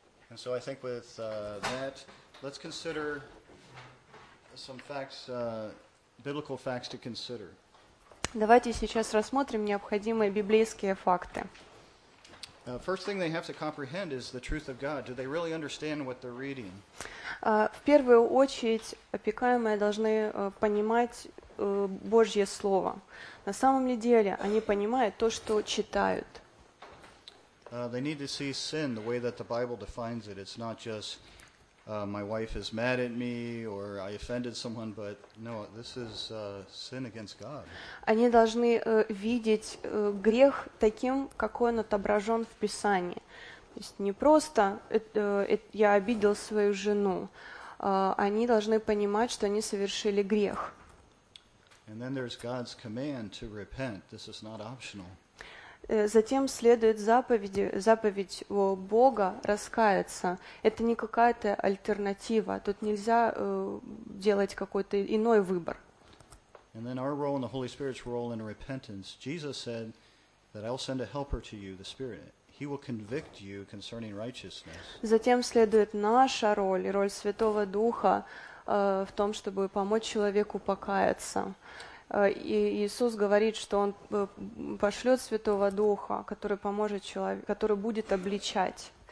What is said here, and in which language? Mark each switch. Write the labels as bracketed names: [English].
[English] And so I think with that, let's consider some facts, biblical facts to consider. [Russian] Давайте сейчас рассмотрим необходимые библейские факты. [English] First thing they have to comprehend is the truth of God. Do they really understand what they're reading? [Russian] В первую очередь, опекаемые должны понимать Божье Слово. На самом ли деле они понимают то, что читают? [English] They need to see sin the way that the Bible defines it. It's not just my wife is mad at me or I offended someone, but no, this is sin against God. [Russian] Они должны видеть грех таким, какой он отображен в Писании. То есть не просто я обидел свою жену. Они должны понимать, что они совершили грех. [English] And then there's God's command to repent. This is not optional. [Russian] Затем следует заповедь о Бога раскаяться. Это не какая-то альтернатива. Тут нельзя делать какой-то иной выбор. [English] And then our role in the Holy Spirit's role in repentance. Jesus said that I will send a helper to you, the Spirit. He will convict you concerning righteousness. [Russian] Затем следует наша роль и роль Святого Духа в том, чтобы помочь человеку покаяться. И Иисус говорит, что Он пошлет Святого Духа, который поможет человеку, который будет обличать.